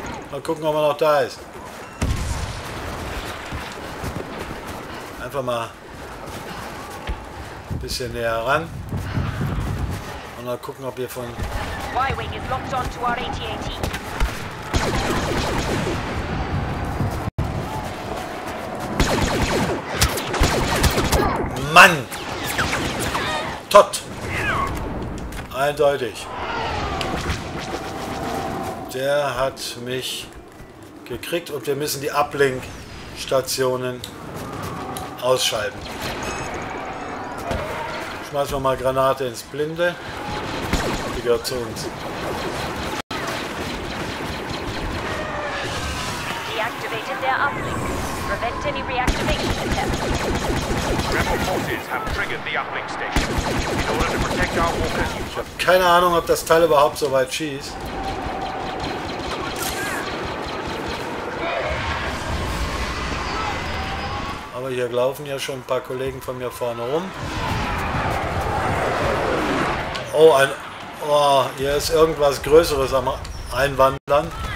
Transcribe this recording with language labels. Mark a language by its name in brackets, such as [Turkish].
[German] Mal gucken, ob er noch da ist. Einfach mal ein bisschen näher ran. Und mal gucken, ob wir von... [English] Y-Wing is locked on to our AT-AT. [German] Mann! Tot! Eindeutig. Der hat mich gekriegt und wir müssen die Uplink-Stationen ausschalten. Schmeißen wir mal Granate ins Blinde. Die gehört zu uns. [English] Deactivated their Uplink. Prevent any reactivation attempts. Rebel forces have triggered the Uplink station. In order to protect our walkers. [German] Ich habe keine Ahnung, ob das Teil überhaupt so weit schießt. Hier laufen ja schon ein paar Kollegen von mir vorne rum. Oh, hier ist irgendwas Größeres am Einwandern.